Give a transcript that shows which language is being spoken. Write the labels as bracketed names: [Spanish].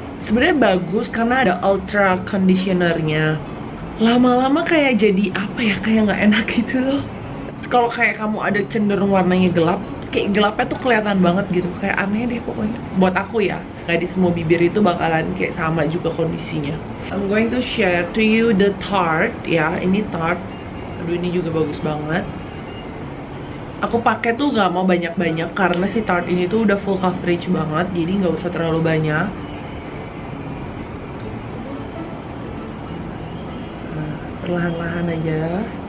[Indonesian] Sebenarnya bagus karena ada ultra conditionernya. Lama-lama kayak jadi apa ya, kayak nggak enak gitu loh. Kalau kayak kamu ada cenderung warnanya gelap, kayak gelapnya tuh kelihatan banget gitu. Kayak aneh deh pokoknya. Buat aku ya, kayak di semua bibir itu bakalan kayak sama juga kondisinya. [English] I'm going to share to you the Tarte ya. [Indonesian] Ini Tarte. Aduh, ini juga bagus banget. Aku pakai tuh gak mau banyak-banyak karena si Tarte ini tuh udah full coverage banget, jadi gak usah terlalu banyak. Nah, perlahan-lahan aja.